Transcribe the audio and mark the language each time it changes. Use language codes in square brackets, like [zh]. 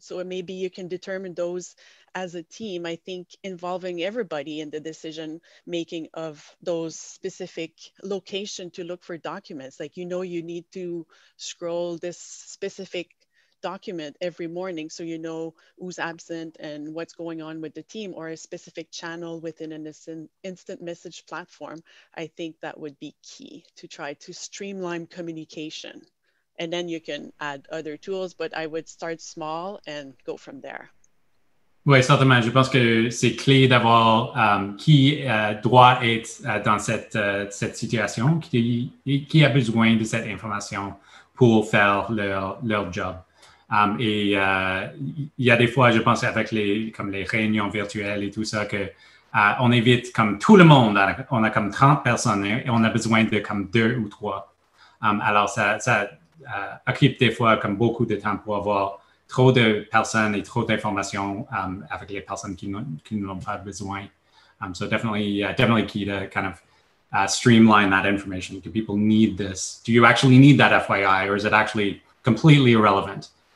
[en] So maybe you can determine those as a team. I think involving everybody in the decision making of those specific location to look for documents, like, you know, you need to scroll this specific document every morning, so you know who's absent and what's going on with the team, or a specific channel within an instant message platform. I think that would be key to try to streamline communication. And then you can add other tools, but I would start small and go from there. [fr] Oui, certainement. Je pense que c'est clé d'avoir qui doit être dans cette situation, qui a besoin de cette information pour faire leur job. Il y a des fois, je pense, avec les réunions virtuelles et tout ça, que on évite comme tout le monde. On a comme 30 personnes et on a besoin de comme 2 ou 3. Alors ça occupe des fois comme beaucoup de temps pour avoir trop de personnes et trop d'informations avec les personnes qui n'ont pas besoin. [en] So definitely key to kind of streamline that information. Do people need this? Do you actually need that FYI, or is it actually completely irrelevant?